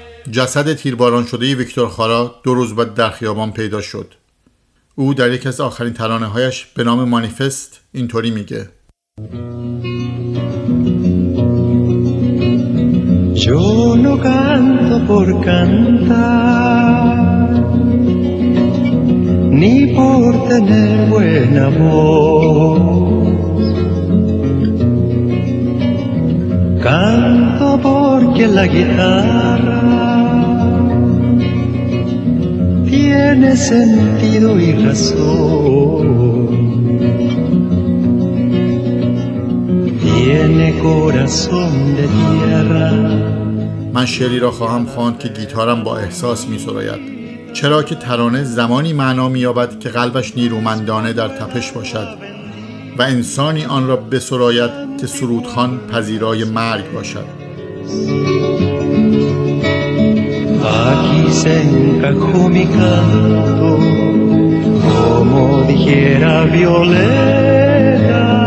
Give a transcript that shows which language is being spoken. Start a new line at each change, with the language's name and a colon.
Persian: جسد تیرباران شده ویکتور خارا دو روز بعد در خیابان پیدا شد. او در یکی از آخرین ترانه هایش به نام مانیفست اینطوری میگه:
Spanish: Yo no canto por cantar ni por tener buen voz. Canto porque la guitarra tiene sentido y razón, tiene corazón de tierra.
Persian: من شعری را خواهم خواند که گیتارم با احساس می سراید، چرا که ترانه زمانی معنا می یابد که قلبش نیرومندانه در تپش باشد و انسانی آن را بسراید که سرودخوان پذیرای مرگ باشد.
Spanish: Aquí se encajó mi canto, como dijera Violeta.